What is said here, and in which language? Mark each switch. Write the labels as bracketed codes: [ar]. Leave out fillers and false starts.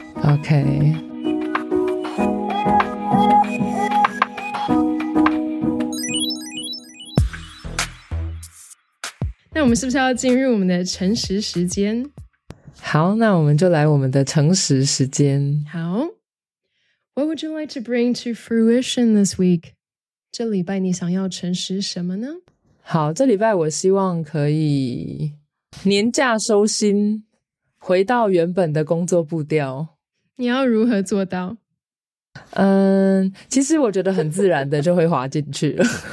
[en] OK， [zh] 那我们是不是要进入我们的诚实时间？好，那我们就来我们的诚实时间。好， [en] What would you like to bring to fruition this week？ [zh] 这礼拜你想要诚实什么呢？好，这礼拜我希望可以年假收心，回到原本的工作步调。你要如何做到？嗯，其实我觉得很自然的就会滑进去了。